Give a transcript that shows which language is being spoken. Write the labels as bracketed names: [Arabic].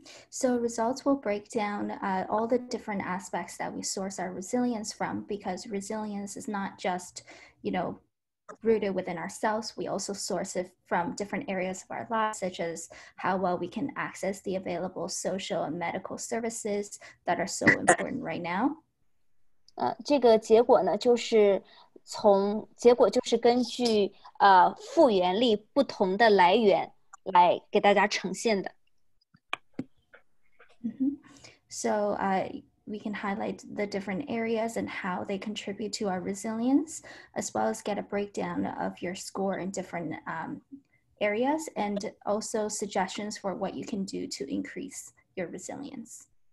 [English] So results will break down all the different aspects that we source our resilience from, because resilience is not just, you know, rooted within ourselves. We also source it from different areas of our lives, such as how well we can access the available social and medical services that are so important right now. [Chinese] 这个结果呢，就是从结果就是根据复原力不同的来源来给大家呈现的。 [English] So we can highlight the different areas and how they contribute to our resilience, as well as get a breakdown of your score in different areas, and also suggestions for what you can do to increase your resilience.